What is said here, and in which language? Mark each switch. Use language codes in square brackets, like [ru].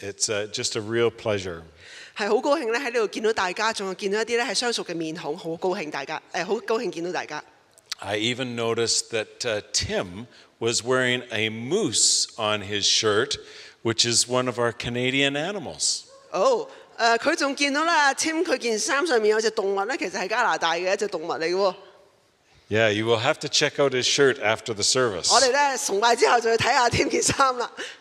[en] It's just a real pleasure. [yue] 係好高興咧喺呢度見到大家，仲有見到一啲咧係相熟嘅面孔，好高興大家，好高興見到大家。 [en] I even noticed that Tim was wearing a moose on his shirt, which is one of our Canadian animals. [yue] Oh, 佢仲見到啦 ，Tim 佢件衫上面有隻動物咧，其實係加拿大嘅一隻動物嚟嘅喎。 [en] Yeah, you will have to check out his shirt after the service. [yue] 我哋咧崇拜之後就去睇下 Tim 件衫啦。